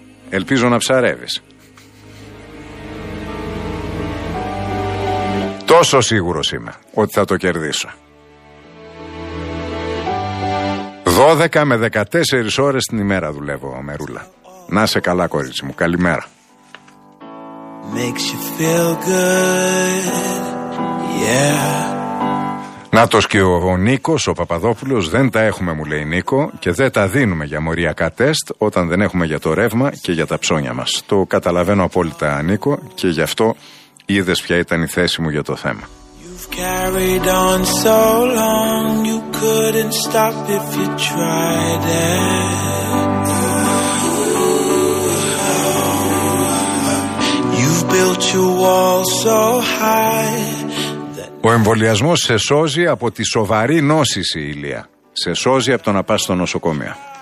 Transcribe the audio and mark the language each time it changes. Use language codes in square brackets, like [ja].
[el] Ελπίζω να ψαρεύεις. Τόσο σίγουρος είμαι ότι θα το κερδίσω. 12 με 14 ώρες την ημέρα δουλεύω, Μερούλα. Να είσαι καλά, κορίτσι μου. Καλημέρα. [en] Makes you feel good. [el] Νάτος και ο Νίκος, ο Παπαδόπουλος, δεν τα έχουμε, μου λέει Νίκο, και δεν τα δίνουμε για μοριακά τεστ όταν δεν έχουμε για το ρεύμα και για τα ψώνια μας. Το καταλαβαίνω απόλυτα, Νίκο, και γι' αυτό είδες ποια ήταν η θέση μου για το θέμα. [en] You've carried on so long, you couldn't stop if you tried it. You've built your wall so high. [el] Ο εμβολιασμός σε σώζει από τη σοβαρή νόσηση, Ηλία. Σε σώζει από το να πας στο νοσοκομείο.